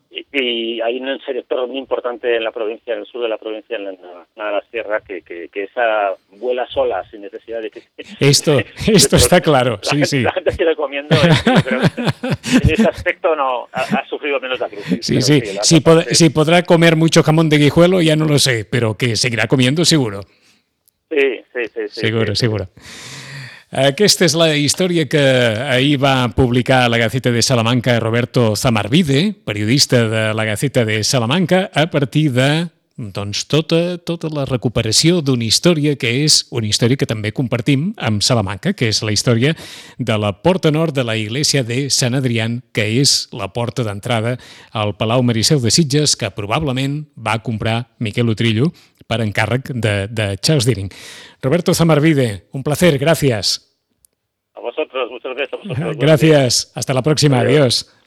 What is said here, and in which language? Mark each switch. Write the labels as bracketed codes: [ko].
[es] Y hay un sector muy importante en la provincia, en el sur de la provincia, en la sierra, que esa vuela sola, sin necesidad de que... Esto está claro, sí, la, sí. La gente sigue comiendo, pero en ese aspecto no, ha sufrido menos la crisis. Sí, sí, sí, si podrá comer mucho jamón de Guijuelo, ya no lo sé, pero que seguirá comiendo, seguro. Sí, seguro. [ca] Aquesta és la història que ahir va publicar la Gaceta de Salamanca Roberto Zamarbide, periodista de la Gaceta de Salamanca, a partir de doncs, tota la recuperació d'una història que és una història que també compartim amb Salamanca, que és la història de la porta nord de la Iglesia de Sant Adrián, que és la porta d'entrada al Palau Mariceu de Sitges, que probablement va comprar Miquel Utrillo per encàrrec de Charles Dirin. [es] Roberto Zamarbide, un placer, gracias. A vosotros, muchas gracias. Gracias, hasta la próxima, adiós.